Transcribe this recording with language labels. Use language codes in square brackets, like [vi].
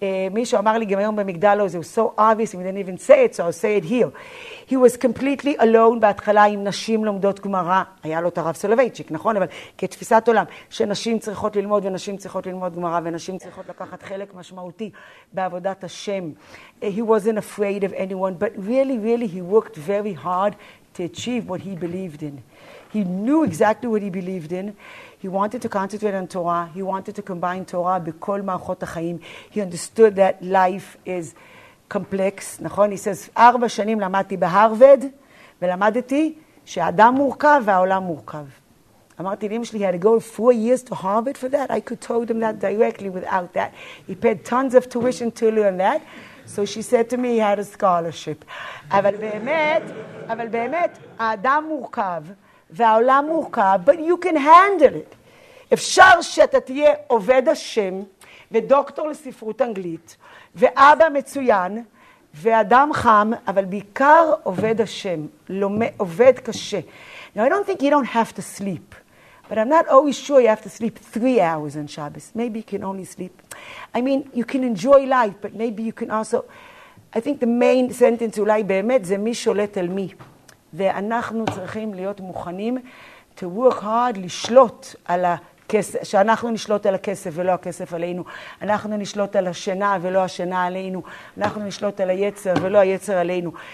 [he] מישהו אמר לי גם היום במגדל, זה [en] was so obvious, and I didn't even say it, so I'll say it here. He was completely alone [he] בהתחלה עם נשים לומדות גמרא, היה לו את הרב סולובייצ'יק, נכון? אבל כתפיסת עולם, שנשים צריכות ללמוד, ונשים צריכות ללמוד גמרא, ונשים צריכות לקחת חלק משמעותי בעבודת השם. [en] He wasn't afraid of anyone, but really, really, he worked very hard to achieve what he believed in. He knew exactly what he believed in. He wanted to concentrate on Torah. He wanted to combine Torah [he] בכל מערכות החיים. [en] He understood that life is complex. [he] נכון? [en] He says, [he] 4 שנים למדתי בהרווד, ולמדתי שהאדם מורכב והעולם מורכב. אמרתי לאמא שלי, [en] he had to go 4 years to Harvard for that. I could told him that directly without that. He paid tons of tuition to learn that. So she said to me, he had a scholarship. [he] אבל באמת, אבל באמת, האדם מורכב. והעולם מורכב, [en] but you can handle it. [he] אפשר שאתה תהיה עובד השם, ודוקטור לספרות אנגלית, ואבא מצוין, ואדם חם, אבל בעיקר עובד השם, עובד קשה. [en] Now, I don't think you don't have to sleep, but I'm not always sure you have to sleep 3 hours on Shabbos. Maybe you can only sleep. I mean, you can enjoy life, but maybe you can also... I think the main sentence, [he] אולי באמת, זה מי שולט על מי. ואנחנו צריכים להיות מוכנים [en] to work hard [he] לשלוט על הכסף, שאנחנו נשלוט על הכסף ולא הכסף עלינו, אנחנו נשלוט על השינה ולא השינה עלינו, אנחנו נשלוט על היצר ולא היצר עלינו.